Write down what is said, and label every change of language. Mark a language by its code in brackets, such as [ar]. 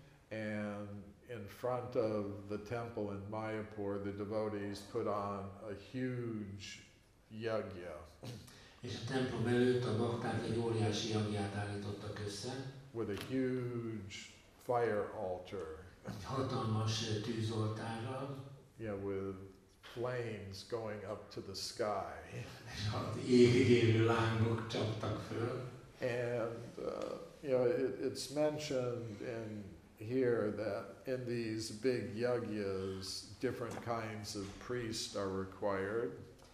[en] And in front of the temple in Mayapur, the devotees put on a huge yagya. [hu] És a templom előtt a bakták egy óriási yagyát állítottak össze. [en] With a huge fire altar. [hu] Egy hatalmas tűzoltárral. [en] Yeah, with flames going up to the sky. [hu] És az égig érő lángok csaptak föl. [en] And you know, it's mentioned in here that in these big yagyas, different kinds of priests are required.